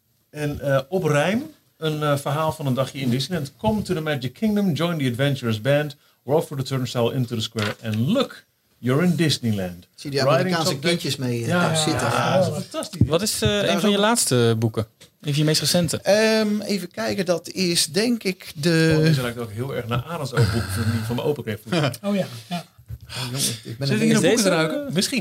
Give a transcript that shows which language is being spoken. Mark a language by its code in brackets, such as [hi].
[nl] En op rijm een verhaal van een dagje in Disneyland. [en] Come to the Magic Kingdom, join the Adventurous Band, roll through the turnstile into the square and look, you're in Disneyland. [nl] Zie die Amerikaanse kindjes mee zitten. Ja, dat is fantastisch. Wat is een van je laatste boeken? Even je meest recente. Even kijken, dat is denk ik de... Deze lijkt ook heel erg naar Arends oogboek van mijn open kreeg. Oh ja. Ja. Jongen, ik ben zit je boeken te ruiken? Misschien.